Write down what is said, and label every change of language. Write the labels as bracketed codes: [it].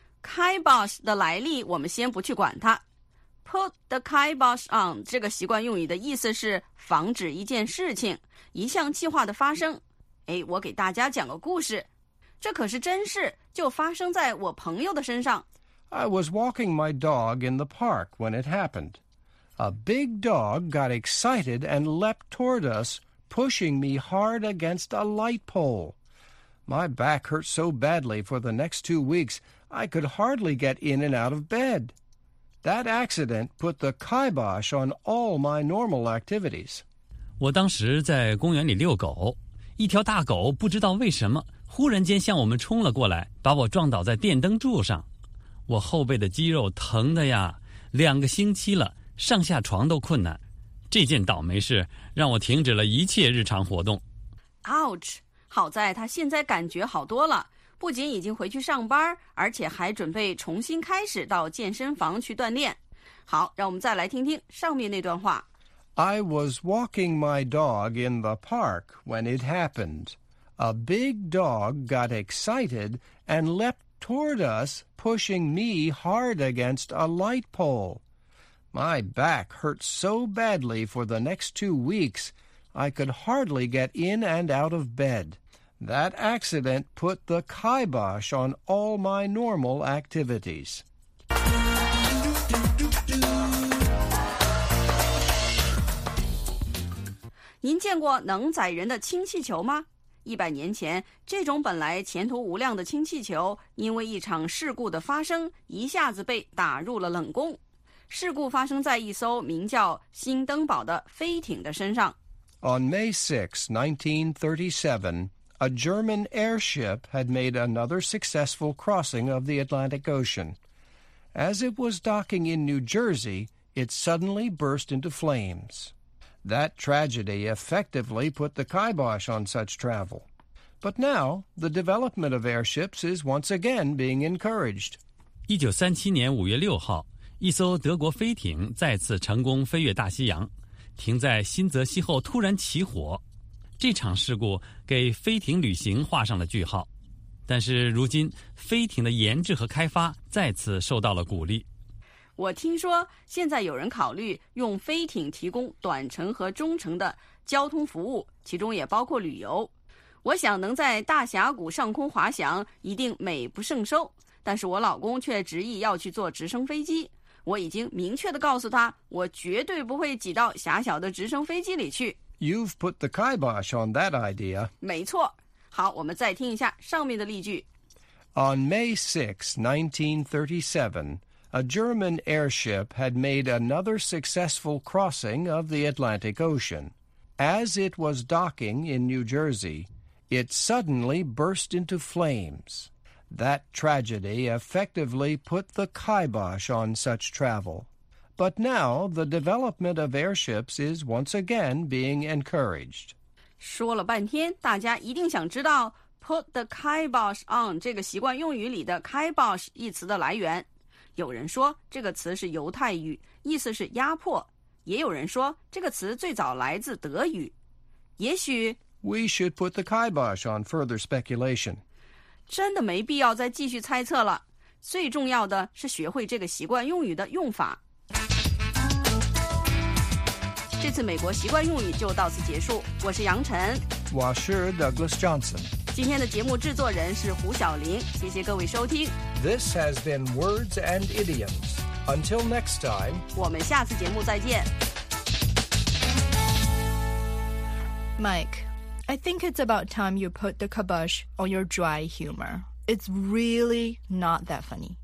[zh] Kibosh 的来历我们先不去管它。 [en] Put the kibosh on [zh] 这个习惯用语的意思是防止一件事情、一项计划的发生。哎，我给大家讲个故事，这可是真事，就发生在我朋友的身上。 [en] I was walking my dog in the park when it happened. A big dog got excited and leapt toward us, pushing me hard against a light pole. My back hurt so badly for the next 2 weeks, I could hardly get in and out of bed. That accident put the kibosh on all my normal activities. [zh] 我当时在公园里遛狗，一条大狗不知道为什么，忽然间向我们冲了过来，把我撞倒在电灯柱上。我后背的肌肉疼的呀，两个星期了，上下床都困难。这件倒霉事让我停止了一切日常活动。 [en] Ouch！ [zh] 好在他现在感觉好多了，不仅已经回去上班，而且还准备重新开始到健身房去锻炼。好，让我们再来听听上面那段话。 [en] I was walking my dog in the park when it happened. A big dog got excited and leapt toward us, pushing me hard against a light pole. My back hurt so badly for the next 2 weeks, I could hardly get in and out of bed. That accident put the kibosh on all my normal activities. [zh] 您见过能载人的氢气球吗？100年前，这种本来前途无量的氢气球，因为一场事故的发生，一下子被打入了冷宫。事故发生在一艘名叫“新登堡”的飞艇的身上。 [en] On May 6, 1937, a German airship had made another successful crossing of the Atlantic Ocean. As it was docking in New Jersey, it suddenly burst into flames. That tragedy effectively put the kibosh on such travel. But now, the development of airships is once again being encouraged. [zh] 1937年5月6号，一艘德国飞艇再次成功飞越大西洋，停在新泽西后突然起火。这场事故给飞艇旅行画上了句号。但是如今，飞艇的研制和开发再次受到了鼓励。我听说现在有人考虑用飞艇提供短程和中程的交通服务，其中也包括旅游。我想能在大峡谷上空滑翔一定美不胜收，但是我老公却执意要去坐直升飞机。我已经明确地告诉他，我绝对不会挤到狭小的直升飞机里去。 [en] You've put the kibosh on that idea. [zh] 没错。好，我们再听一下上面的例句。 [en] On May 6, 1937,A German airship had made another successful crossing of the Atlantic Ocean. As it was docking in New Jersey, it suddenly burst into flames. That tragedy effectively put the kibosh on such travel. But now the development of airships is once again being encouraged. [zh] 说了半天，大家一定想知道 [en] put the kibosh on [zh] 这个习惯用语里的 kibosh 一词的来源。有人说这个词是犹太语，意思是压迫，也有人说这个词最早来自德语。也许 [en] We should put the kibosh on further speculation. [zh] 真的没必要再继续猜测了，最重要的是学会这个习惯用语的用法。这次美国习惯用语就到此结束，我是杨晨，我是 Douglas Johnson。今天的节目制作人是胡晓玲，谢谢各位收听。 [en] This has been Words and Idioms. Until next time, [zh] 我们下次节目再见。 [en] Mike, I think it's about time you put the kibosh on your dry humor. It's really not that funny.